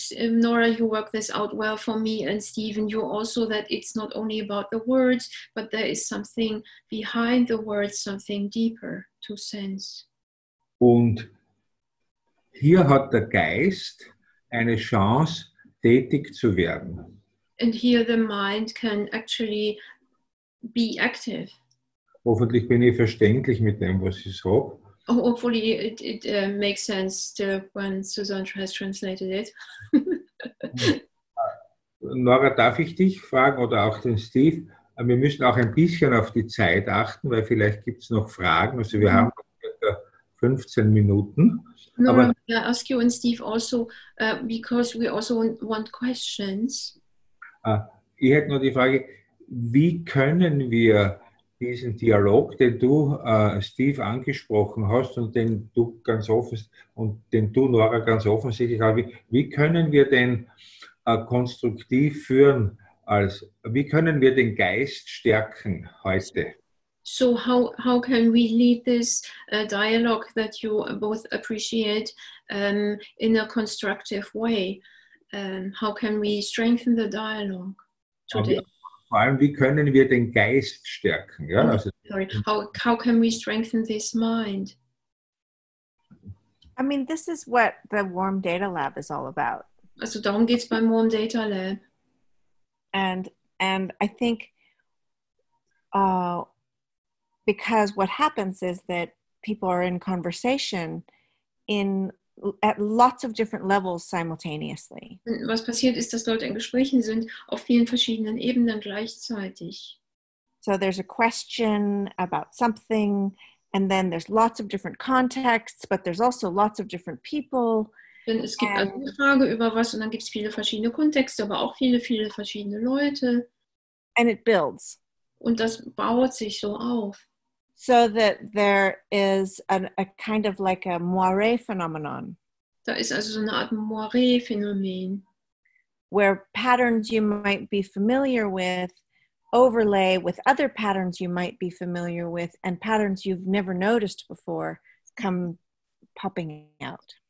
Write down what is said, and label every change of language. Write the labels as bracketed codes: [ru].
[en] Nora, you work this out well for me and Stephen, you also, that it's not only about the words, but there is something behind the words, something deeper to sense. [de] Und hier hat der Geist eine Chance, tätig zu werden. [en] And here the mind can actually be active. [de] Hoffentlich bin ich verständlich mit dem, was ich sage. [en] Oh, hopefully it makes sense to when Susan has translated it. [de] Nora, darf ich dich fragen oder auch den Steve? Wir müssen auch ein bisschen auf die Zeit achten, weil vielleicht gibt es noch Fragen. Also wir haben 15 Minuten. [en] Nora, aber, I ask you and Steve also, because we also want questions. [de] Ich hätte nur die Frage, wie können wir diesen Dialog, den du, Steve, angesprochen hast und den du ganz offen und den du, Nora, ganz offensichtlich hast, wie können wir den konstruktiv führen? Als wie können wir den Geist stärken heute? [en] So how can we lead this dialogue that you both appreciate in a constructive way? How can we strengthen the dialogue today? [de] Vor allem, wie können wir den Geist stärken? Ja, [en] also how can we strengthen this mind? I mean, this is what the Warm Data Lab is all about. [de] Also darum geht's beim Warm Data Lab. [en] And I think because what happens is that people are in conversation in at lots of different levels simultaneously. [de] Was passiert ist, dass Leute in Gesprächen sind auf vielen verschiedenen Ebenen gleichzeitig. [en] So there's a question about something and then there's lots of different contexts, but there's also lots of different people. [de] Denn es gibt also eine Frage über was und dann gibt es viele verschiedene Kontexte, aber auch viele, viele verschiedene Leute. [en] And it builds. [de] Und das baut sich so auf. [en] So that there is a kind of like a moiré phenomenon. [de] Da ist also so eine Art Moiré-Phänomen. [en] Where patterns you might be familiar with overlay with other patterns you might be familiar with and patterns you've never noticed before come popping out.